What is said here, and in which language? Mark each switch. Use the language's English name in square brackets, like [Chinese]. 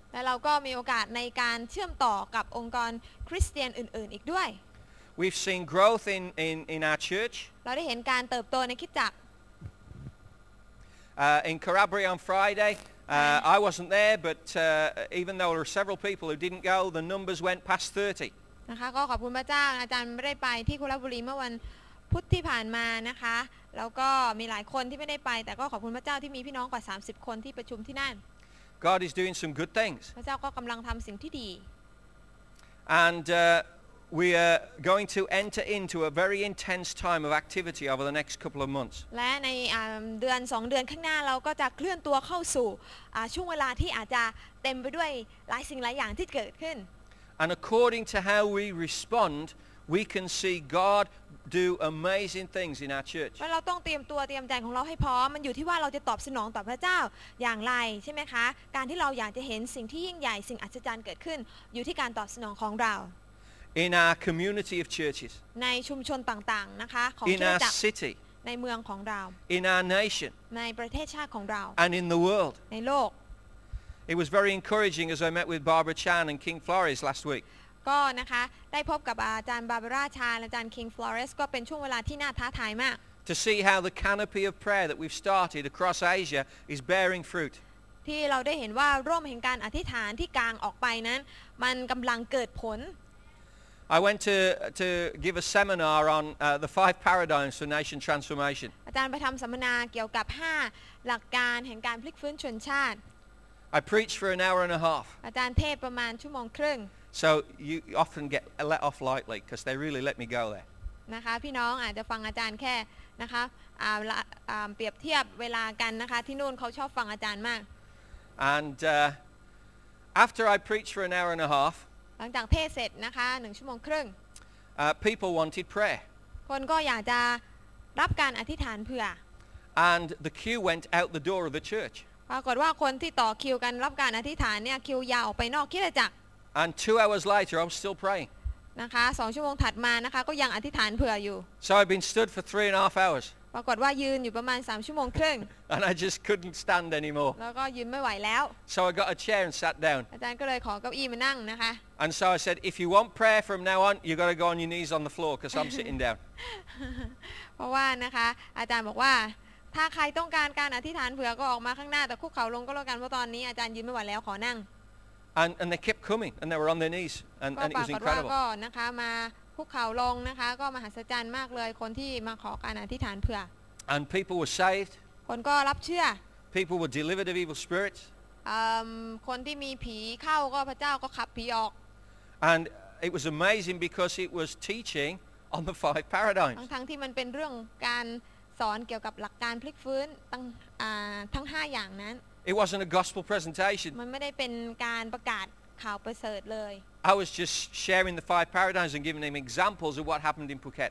[Thai] และเราก็มีโอกาสในการเชื่อมต่อกับองค์กรคริสเตียนอื่นๆอีกด้วย [English] we've seen growth in our church [Thai] เราได้เห็นการเติบโตในคริสตจักร [English] In Corroboree on Friday, I wasn't there, but even though there were several people who didn't go, the numbers went past 30. [Thai] นะคะก็ขอบคุณพระเจ้าอาจารย์ไม่ได้ไปที่คุระบุรีเมื่อวันพุธที่ผ่านมานะคะแล้วก็มีหลายคนที่ไม่ได้ไปแต่ก็ขอบคุณพระเจ้าที่มีพี่น้องกว่า30คนที่ประชุมที่นั่น [English] God is doing some good things. [Thai] พระเจ้าก็กำลังทำสิ่งที่ดี [English] And we are going to enter into a very intense time of activity over the next couple of months. [Thai] และในเดือน2เดือนข้างหน้าเราก็จะเคลื่อนตัวเข้าสู่ช่วงเวลาที่อาจจะเต็มไปด้วยหลายสิ่งหลายอย่างที่เกิดขึ้น [English] And according to how we respond, we can see God do amazing things in our church. [Thai] เราต้องเตรียมตัวเตรียมใจของเราให้พร้อมมันอยู่ที่ว่าเราจะตอบสนองต่อพระเจ้าอย่างไรใช่มั้ยคะการที่เราอยากจะเห็นสิ่งที่ยิ่งใหญ่สิ่งอัศจรรย์เกิดขึ้นอยู่ที่การตอบสนองของเรา [English] In our community of churches. [Thai] ในชุมชนต่างๆนะคะของคริ [English] สตจักร In our city. [Thai] ในเมืองของเรา [English] In our nation. [Thai] ในประเทศชาติของเรา [English] And in the world. [Thai] ในโลก [English] It was very encouraging as I met with Barbara Chan and King Flores last week. [Thai] ก็นะคะได้พบกับอาจารย์บาร์บาร่าชาญอาจารย์คิงฟลอเรสก็เป็นช่วงเวลาที่น่าท้าทายมาก [English] To see how the canopy of prayer that we've started across Asia is bearing fruit [Thai] ที่เราได้เห็นว่าร่มแห่งการอธิษฐานที่กางออกไปนั้นมันกำลังเกิดผล [English] I went to give a seminar on the five paradigms for nation transformation [Thai] อาจารย์ไปทำสัมมนาเกี่ยวกับ5หลักการแห่งการพลิกฟื้นชนชาติ [English] I preached for an hour and a half [Thai] อาจารย์เทศประมาณชั่วโมงครึ่ง [English] So you often get let off lightly because they really let me go there. [Thai] นะคะพี่น้องอาจจะฟังอาจารย์แค่นะคะเปรียบเทียบเวลากันนะคะที่นู่นเขาชอบฟังอาจารย์มาก [English] And after I preached for an hour and a half, [Thai] หลังจากเทศเสร็จนะคะหนึ่งชั่วโมงครึ่ง [English] people wanted prayer. [Thai] คนก็อยากจะรับการอธิษฐานเผื่อ [English] And the queue went out the door of the church. [Thai] ปรากฏว่าคนที่ต่อคิวกันรับการอธิษฐานเนี่ยคิวยาวไปนอกคริสตจักร [English] And 2 hours later, I'm still praying. [Thai] นะคะ 2 ชั่วโมงถัดมานะคะก็ยังอธิษฐานเผื่ออยู่ [English] So I've been stood for 3.5 hours. [Thai] ปรากฏว่ายืนอยู่ประมาณ 3 ชั่วโมงครึ่ง [English] And I just couldn't stand anymore. [Thai] แล้วก็ยืนไม่ไหวแล้ว [English] So I got a chair and sat down. [Thai] อาจารย์ก็เลยขอเก้าอี้มานั่งนะคะ [English] And so I said, if you want prayer from now on, you've got to go on your knees on the floor because I'm sitting down. [Thai] เพราะว่านะคะอาจารย์บอกว่าถ้าใครต้องการการอธิษฐานเผื่อก็ออกมาข้างหน้าแต่คุกเข่าลงก็แล้วกันเพราะตอนนี้อาจารย์ยืนไม่ไหวแล้วขอนั่ง [English] And they kept coming, and they were on their knees, and it was incredible. [Thai] ก็ปรากฏว่าก็นะคะมาคุกเข่าลงนะคะก็มหัศจรรย์มากเลยคนที่มาขอการอธิษฐานเผื่อ [English] And people were saved. [Thai] คนก็รับเชื่อ [English] People were delivered of evil spirits. [Thai] คนที่มีผีเข้าก็พระเจ้าก็ขับผีออก [English] And it was amazing because it was teaching on the five paradigms. [Thai] ทั้งที่มันเป็นเรื่องการสอนเกี่ยวกับหลักการพลิกฟื้นทั้ง5อย่างนั้น [English] It wasn't a gospel presentation. [Thai] มันไม่ได้เป็นการประกาศข่าวประเสริฐเลย [English] I was just sharing the five paradigms and giving them examples of what happened in Phuket.